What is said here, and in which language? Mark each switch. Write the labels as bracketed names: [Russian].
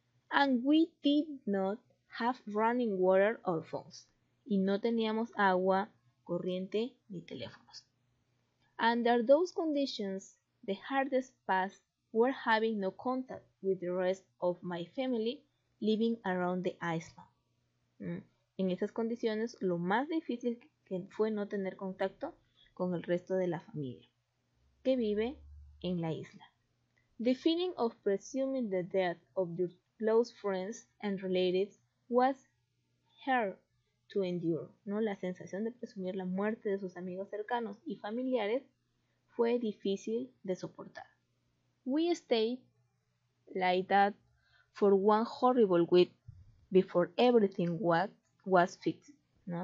[English] And we did not have running water or phones. [Spanish] Y no teníamos agua corriente ni teléfonos. [English] Under those conditions, the hardest part was having no contact with the rest of my family living around the island. [Spanish] En esas condiciones, lo más difícil que fue no tener contacto con el resto de la familia que vive en la isla. [English] The feeling of presuming the death of your close friends and relatives was heart to endure, ¿no? [Spanish] La sensación de presumir la muerte de sus amigos cercanos y familiares fue difícil de soportar. [English] We stayed like that for one horrible week before everything was fixed, ¿no?